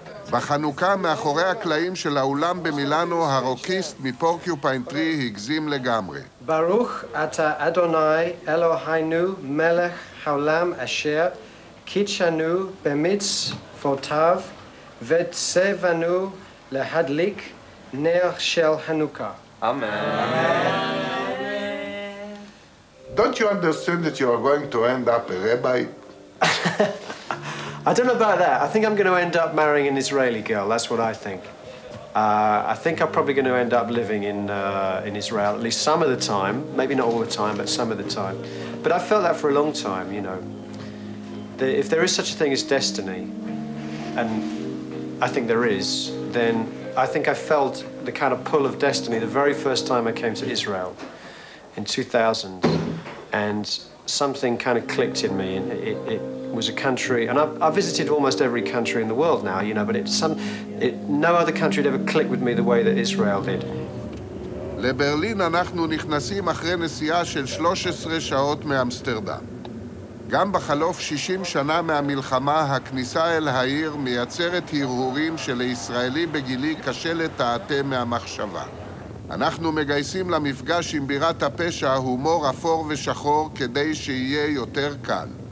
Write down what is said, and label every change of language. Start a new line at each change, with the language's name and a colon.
Hebrew: בחנוכה מאחורי הקלעים של האולם במילאנו, הרוקיסט מפורקיופיין טרי הגזים לגמרי. ברוך אתה אדוני אלוהינו מלך העולם אשר קידשנו במצוותיו וציוונו להדליק נר של חנוכה. אמן.
English: Don't you understand that you are going to end up a rabbi? I don't know about that. I think I'm going to end up marrying an Israeli girl. That's what I think. I think I'm probably going to end up living in Israel, at least some of the time. Maybe not all the time, but some of the time. But I've felt that for a long time, you know. If there is such a thing as destiny, and I think there is, then I think I felt the kind of pull of destiny the very first time I came to Israel in 2000, and something kind of clicked in me, and it was a country, and I've visited almost every country in the world now, you know, but no other country had ever clicked with me the way that Israel did.
Hebrew: לברלין אנחנו נכנסים אחרי נסיעה של 13 שעות מאמסטרדם. גם בחלוף 60 שנה מהמלחמה, הכניסה אל העיר מייצרת הרהורים שלישראלי בגילי קשה לתעתה מהמחשבה. אנחנו מגייסים למפגש עם בירת הפשע הומור אפור ושחור כדי שיהיה יותר קל.